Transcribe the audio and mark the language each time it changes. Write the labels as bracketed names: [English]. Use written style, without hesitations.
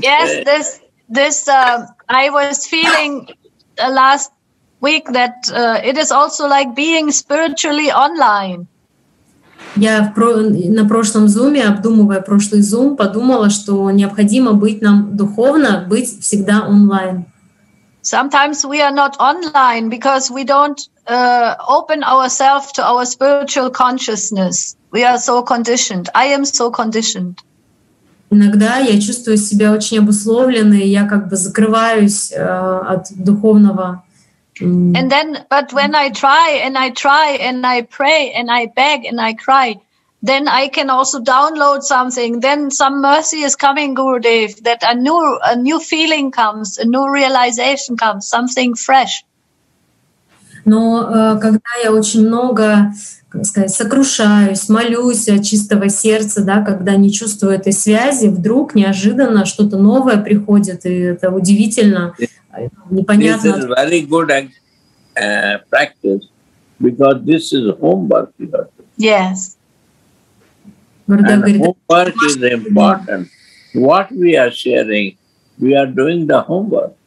[English] Yes, this I was feeling last week that it is also like being spiritually online. [Russian] Я на прошлом зуме, обдумывая прошлый зум, подумала, что необходимо быть нам духовно, быть всегда онлайн. [English] Sometimes we are not online because we don't open ourselves to our spiritual consciousness. We are so conditioned. I am so conditioned. [Russian] Иногда я чувствую себя очень обусловленной, я как бы закрываюсь от духовного. [English] And then, but when I try and I pray and I beg and I cry, then I can also download something. Then some mercy is coming, Gurudev, that a new feeling comes, a new realization comes, something fresh. [Russian] Но когда я очень много, как сказать, сокрушаюсь, молюсь от чистого сердца, да, когда не чувствую этой связи, вдруг неожиданно что-то новое приходит, и это удивительно, непонятно. [English] This is very good practice because this is homework. Yes. And homework is important. What we are sharing, we are doing the homework.